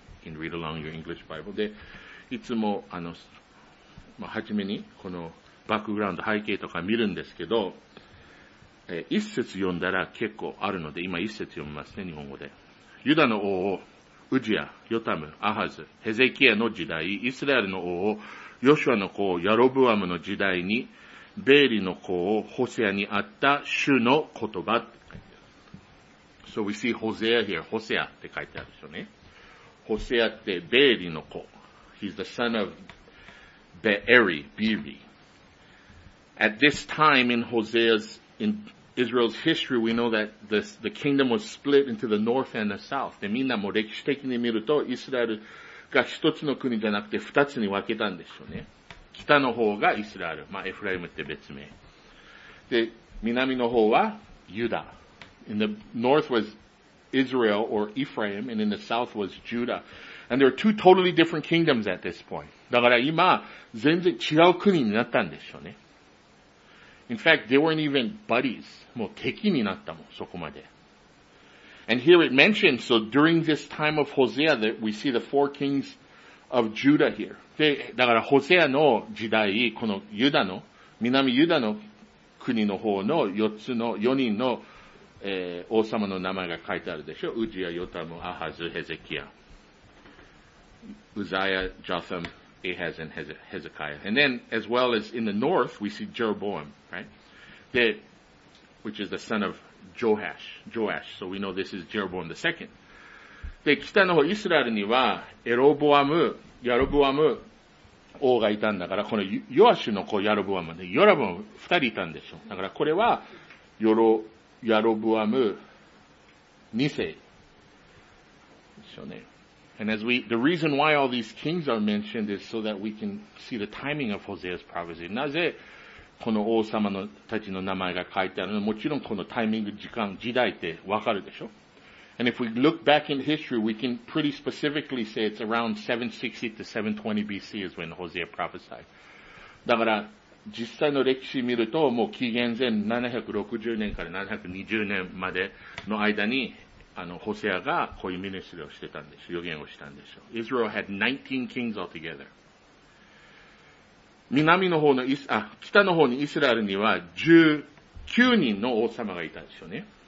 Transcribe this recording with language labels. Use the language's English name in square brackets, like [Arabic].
[English] You can read along your English Bible. [Japanese] で、いつも初めにこのバックグラウンド、背景とか見るんですけど、一節読んだら結構あるので、今一節読みますね、日本語で。ユダの王を、ウジヤ、ヨタム、アハズ、ヘゼキヤの時代、イスラエルの王を、ヨシュアの子をヤロブアムの時代に、ベーリの子をホセアにあった主の言葉。 [English] So we see Hosea here, Hosea [Japanese] って書いてあるでしょうね。 Hosea ってベーリの子。 [English] He's the son of Be'eri, Be'eri. At this time in Hosea'sIn Israel's history, we know that the kingdom was split into the north and the south. [Japanese] で、みんなも歴史的に見ると、イスラエルが一つの国じゃなくて二つに分けたんですよね。北の方がイスラエル。まあ、エフライムって別名。で、南の方はユダ。 [English] In the north was Israel or Ephraim, and in the south was Judah. And there are two totally different kingdoms at this point. [Japanese] だから今、全然違う国になったんですよね。 [English] In fact, they weren't even buddies. [Japanese] もう敵になったもん、そこまで。 [English] And here it mentions, so during this time of Hosea, that we see the four kings of Judah here. [Japanese] で、だから、ホセアの時代、このユダの、南ユダの国の方の四人の、王様の名前が書いてあるでしょ。ウジヤ、ヨタム、アハズ、ヘゼキヤ。 [English] ウザヤ、ジョサム。Ahaz and Hezekiah. And then, as well as in the north, we see Jeroboam, right? Which is the son of Joash. So we know this is Jeroboam the second. [Japanese] で、北の方、イスラエルには、エロボアム、ヤロボアム王がいたんだから、このヨアシュの子、ヤロボアムで、ヨラボアム二人いたんでしょ。だからこれは、ヤロボアム二世でしょうね。 [English] And as the reason why all these kings are mentioned is so that we can see the timing of Hosea's prophecy. [Japanese] なぜ、この王様のたちの名前が書いてあるの？もちろんこのタイミング、時間、時代ってわかるでしょ？ [English] And if we look back in history, we can pretty specifically say it's around 760 to 720 BC is when Hosea prophesied. [Japanese] だから、実際の歴史見ると、もう紀元前760年から720年までの間に、ホセアがこういうミニストリーをしてたんでしょ。予言をしたんでしょ。 [English] Israel had 19 kings altogether. [Japanese] 南の方の北の方にイスラエルには19人の王様がいたんでしょうね。